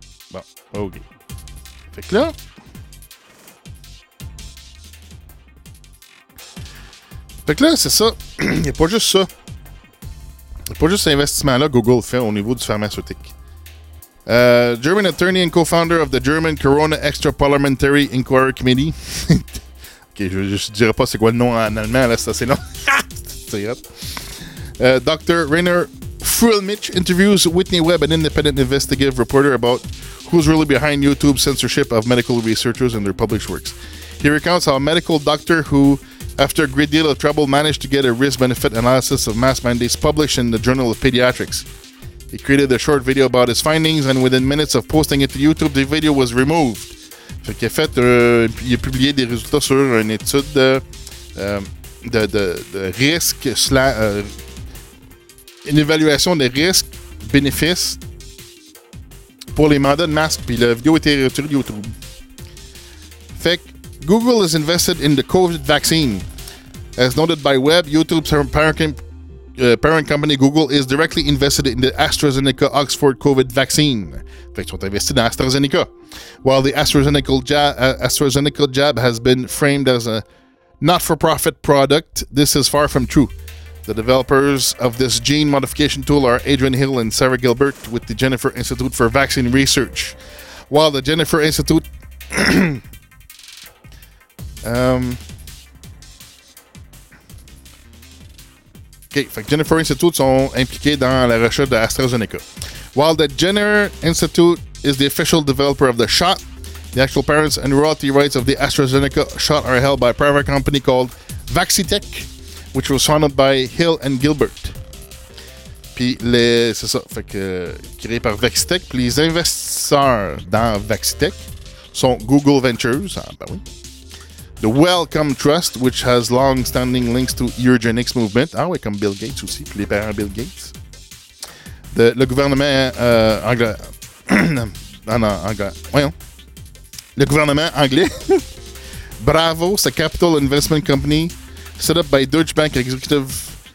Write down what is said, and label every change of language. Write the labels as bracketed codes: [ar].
[fr] Bon, OK. Fait que là... Fait que là, c'est ça. Il y a pas juste ça. Il y a pas juste cet investissement-là Google fait au niveau du pharmaceutique. [en] German attorney and co-founder of the German Corona Extra Parliamentary Inquiry Committee... [fr] je dirais pas c'est quoi le nom en allemand, là, c'est assez long. C'est hot. Dr. [en] Rainer Frühlmich interviews Whitney Webb, an independent investigative reporter, about who's really behind YouTube censorship of medical researchers and their published works. He recounts how a medical doctor who, after a great deal of trouble, managed to get a risk-benefit analysis of mask mandates published in the Journal of Pediatrics. He created a short video about his findings, and within minutes of posting it to YouTube, the video was removed. [fr] Fait qu'il a fait, il a publié des résultats sur une étude de risque, une évaluation des risques-bénéfices pour les mandats de masque, puis la vidéo a été retirée de YouTube. Fait que [en] Google is invested in the COVID vaccine. As noted by Webb, YouTube's parent company Google is directly invested in the AstraZeneca Oxford COVID vaccine. [fr] Fait qu'ils sont investis dans AstraZeneca. [en] While the AstraZeneca jab has been framed as a not-for-profit product, this is far from true. The developers of this gene modification tool are Adrian Hill and Sarah Gilbert with the Jennifer Institute for Vaccine Research. While the Jennifer Institute... [fr] okay, fait que Jennifer Institute sont impliqués dans la recherche de AstraZeneca. [en] While the Jenner Institute is the official developer of the shot, the actual patents and royalty rights of the AstraZeneca shot are held by a private company called Vaccitech, which was founded by Hill and Gilbert. [fr] Puis les, c'est ça, fait que créé par Vaccitech, puis les investisseurs dans Vaccitech sont Google Ventures. Ah, ben oui. [en] The Wellcome Trust, which has long-standing links to eugenics movement. [fr] Ah oui, comme Bill Gates aussi, puis les parents Bill Gates. Le gouvernement anglais... Le gouvernement anglais. Bravo, c'est [en] a capital investment company set up by Deutsche Bank executive.